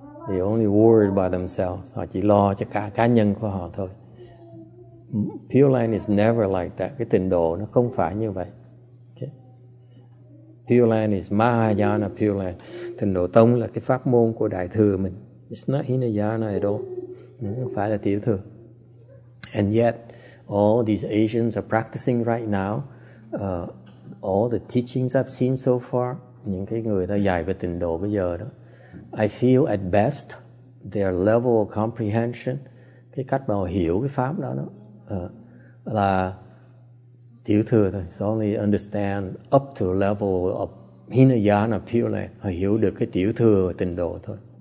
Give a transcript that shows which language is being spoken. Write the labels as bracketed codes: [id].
[en] They only worried by themselves. [vi] Họ chỉ lo cho cá nhân của họ thôi. [en] Pure Land is never like that. [vi] Cái tình độ nó không phải như vậy. Okay. [en] Pure Land is Mahayana Pure Land. [vi] Tình độ tông là cái pháp môn của Đại Thừa mình. [en] It's not Hinayana at all. [vi] Nó không phải là Tiểu Thừa. [en] And yet, all these Asians are practicing right now. All the teachings I've seen so far, [vi] những cái người ta dạy về tình độ bây giờ đó, [en] I feel at best their level of comprehension, [vi] cái cách mà họ hiểu cái pháp đó đó, là tiểu thừa thôi. [en] It's only understand up to the level of Hinayana Pure Land. [vi] Họ hiểu được cái tiểu thừa và tình độ thôi.